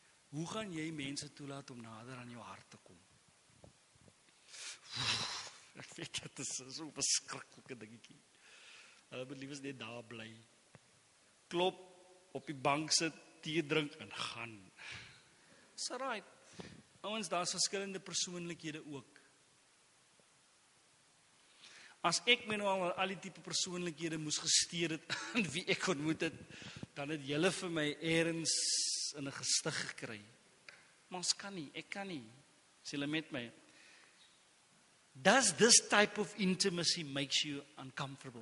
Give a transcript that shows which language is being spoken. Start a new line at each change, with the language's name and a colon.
Afrikaans: Hoe gaan jy mense toelaat om nader aan jou hart te kom? Ek weet dit is so verskriklike dingetjie. Hulle moet liefst net daar bly. Klop, op die bank sit, tee drink en gaan.
English: It's alright.
Afrikaans: Ouens, daar's verskillende persoonlikhede ook. As ek my nou al die type persoonlikhede moes gesteer het aan wie ek ontmoet het, dan het julle vir my eerens in 'n gestig gekry. Maar ons kan nie, ek kan nie. Sê hulle met my.
English: Does this type of intimacy makes you uncomfortable?